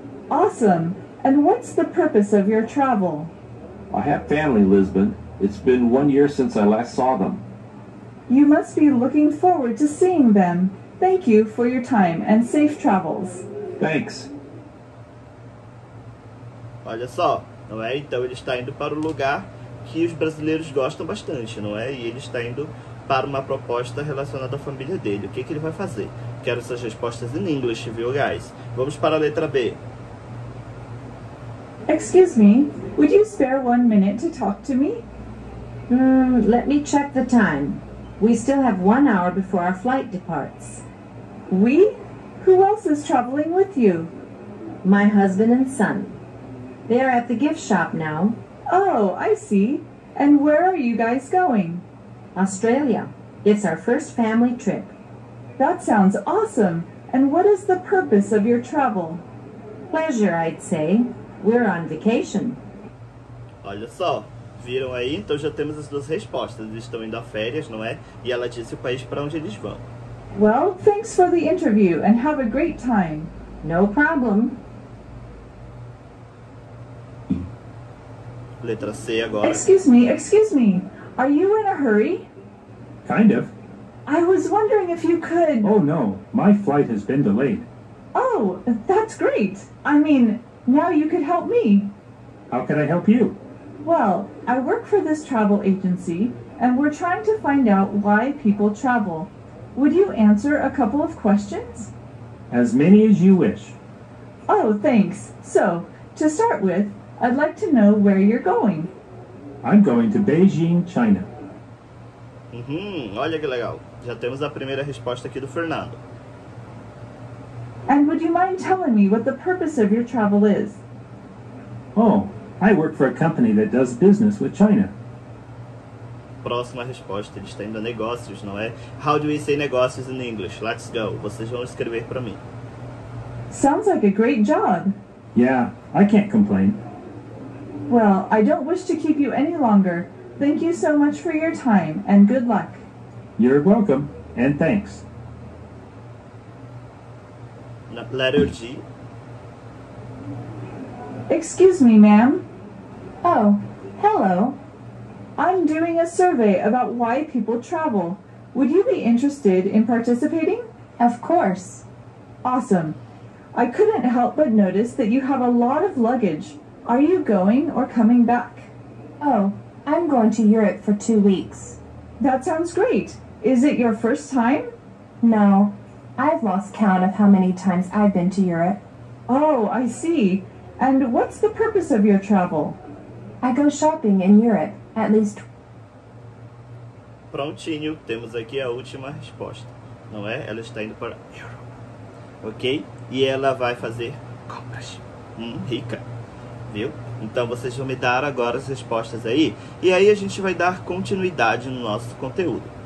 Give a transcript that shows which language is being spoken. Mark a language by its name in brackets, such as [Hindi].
[English] Awesome. And what's the purpose of your travel? I have family in Lisbon. It's been 1 year since I last saw them. You must be looking forward to seeing them. Thank you for your time and safe travels. Thanks. [Portuguese] Olha só, não é? Então ele está indo para o lugar que os brasileiros gostam bastante, não é? E ele está indo para uma proposta relacionada à família dele. O que, que ele vai fazer? Quero essas respostas [English] in English, viu, guys? [Portuguese] Vamos para a letra B. [English] Excuse me, would you spare 1 minute to talk to me? Let me check the time. We still have 1 hour before our flight departs. We? Who else is traveling with you? My husband and son. They are at the gift shop now. Oh, I see. And where are you guys going? Australia. It's our first family trip. That sounds awesome. And what is the purpose of your travel? Pleasure, I'd say. We're on vacation. [Portuguese] Olha só. Viram aí? Então já temos as duas respostas. Eles estão indo a férias, não é? E ela disse o país para onde eles vão. [English] Well, thanks for the interview and have a great time. No problem. [Portuguese] Letra C agora. [English] Excuse me. Are you in a hurry? Kind of. I was wondering if you could... Oh, no. My flight has been delayed. Oh, that's great. I mean, now you could help me. How can I help you? Well, I work for this travel agency, and we're trying to find out why people travel. Would you answer a couple of questions? As many as you wish. Oh, thanks. So, to start with, I'd like to know where you're going. I'm going to Beijing, China. [Portuguese] Olha que legal. Já temos a primeira resposta aqui do Fernando. [English] And would you mind telling me what the purpose of your travel is? Oh, I work for a company that does business with China. [Portuguese] Próxima resposta, ele está indo a negócios, não é? [English] How do we say negócios in English? Let's go. [Portuguese] Vocês vão escrever para mim. [English] Sounds like a great job. Yeah, I can't complain. Well, I don't wish to keep you any longer. Thank you so much for your time and good luck. You're welcome and thanks. Letter G. Excuse me, ma'am. Oh, hello. I'm doing a survey about why people travel. Would you be interested in participating? Of course. Awesome. I couldn't help but notice that you have a lot of luggage. Are you going or coming back? Oh, I'm going to Europe for 2 weeks. That sounds great. Is it your first time? No. I've lost count of how many times I've been to Europe. Oh, I see. And what's the purpose of your travel? I go shopping in Europe. At least. [Portuguese] Prontinho, temos aqui a última resposta, não é? Ela está indo para Europa, ok? E ela vai fazer compras, rica, viu? Então vocês vão me dar agora as respostas aí, e aí a gente vai dar continuidade no nosso conteúdo.